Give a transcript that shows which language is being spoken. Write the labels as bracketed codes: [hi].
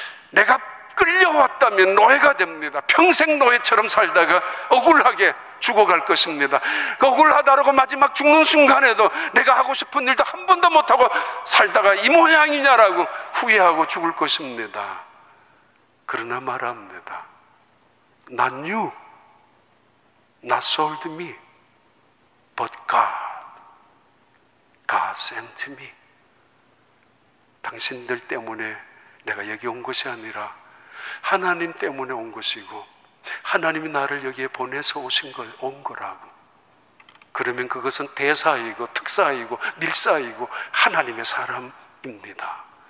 [ko] 내가 끌려왔다면 노예가 됩니다. 평생 노예처럼 살다가 억울하게 죽어갈 것입니다. 그 억울하다라고 마지막 죽는 순간에도 내가 하고 싶은 일도 한 번도 못하고 살다가 이 모양이냐라고 후회하고 죽을 것입니다. 그러나 말합니다. [en] Not you, not sold me, but God. God sent me. [ko] 당신들 때문에 내가 여기 온 것이 아니라 하나님 때문에 온 것이고 하나님이 나를 여기에 보내서 온 거라고. 그러면 그것은 대사이고 특사이고 밀사이고 하나님의 사람입니다.